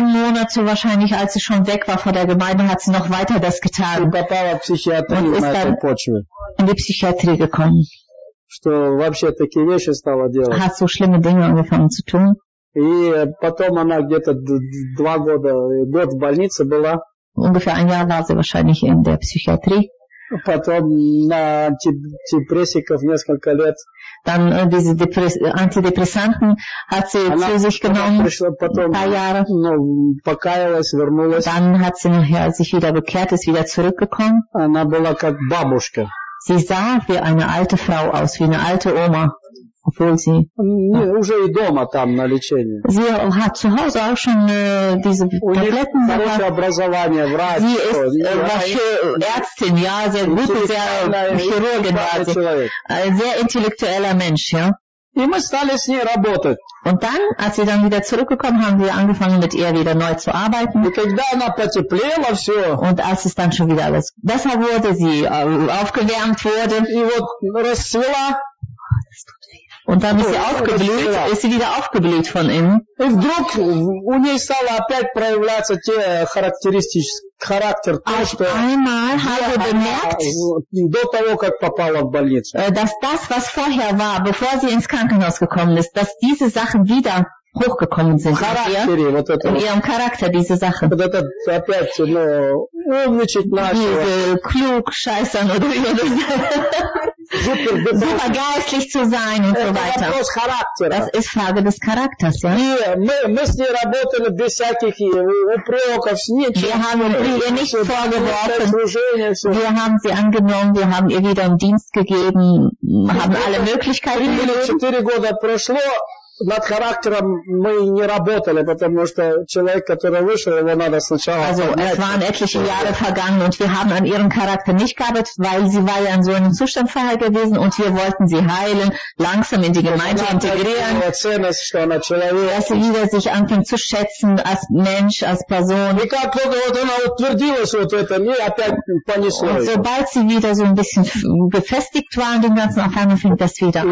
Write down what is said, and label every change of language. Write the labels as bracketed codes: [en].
[de] Monate wahrscheinlich, als sie schon weg war von der Gemeinde, hat sie noch weiter das getan. Und ist dann in die Psychiatrie gekommen. [ru] Что вообще такие вещи стала делать. [de] Hat so schlimme Dinge angefangen zu tun. [ru] И потом она где-то 2 года, год в больнице была. [de] Ungefähr ein Jahr war sie wahrscheinlich in der Psychiatrie. [ru] Потом на антидепрессиков несколько лет. [de] Dann diese Antidepressanten hat sie [ru] она, [de] zu sich genommen. [ru] Пришла потом, [de] ein paar Jahre. [ru] Ну, покаялась, вернулась. [de] Dann hat sie nachher sich wieder bekehrt, ist wieder zurückgekommen. [ru] Она была как бабушка. [de] Sie sah wie eine alte Frau aus, wie eine alte Oma. obwohl sie nee, ja. [ru] уже и дома там на лечении. [de] Sie hat zu Hause auch schon diese Tabletten. Sie hat [ru] образование, врач. [de] Sie ist Ärztin, ja, sehr gute, sehr Chirurgin, sehr intellektueller Mensch, ja. [ru] И мы стали с ней работать. [de] Und dann, als sie dann wieder zurückgekommen, haben wir angefangen, mit ihr wieder neu zu arbeiten. [ru] И когда она потеплела, все. [de] Und als es dann schon wieder alles besser wurde, sie aufgewärmt wurde. [ru] И вот расцвела. [de] Und dann ist sie aufgeblüht, ist sie wieder aufgeblüht von innen. [ru] И вдруг у ней стало опять проявляться те характеристики. Характер, то, что [de] einmal habe bemerkt, [ru] до того, как попала в больницу, [de] dass das, was vorher war, bevor sie ins Krankenhaus gekommen ist, dass diese Sachen wieder hochgekommen sind [ru] характере, вот это, [de] in ihrem Charakter, diese Sachen. [ru] Вот это, опять, ну, умничать нашего. [de] Diese Klugscheißern oder wie man das supergeistlich zu sein und so weiter. Das ist Frage des Charakters, ja. Wir haben ihr nicht vorgeworfen. Wir haben sie angenommen, wir haben ihr wieder einen Dienst gegeben, haben alle Möglichkeiten gegeben. [ru] Над характером мы не работали, потому что человек, который вышел, его надо сначала. [de] Also, es waren etliche Jahre vergangen und wir haben an ihrem Charakter nicht gearbeitet, weil sie war ja in so einem Zustand vorher gewesen und wir wollten sie heilen, langsam in die Gemeinde integrieren. Dass sie wieder sich anfängt zu schätzen als Mensch, als Person. Und sobald sie wieder so ein bisschen befestigt war in dem ganzen Erfahrung, fängt das wieder an.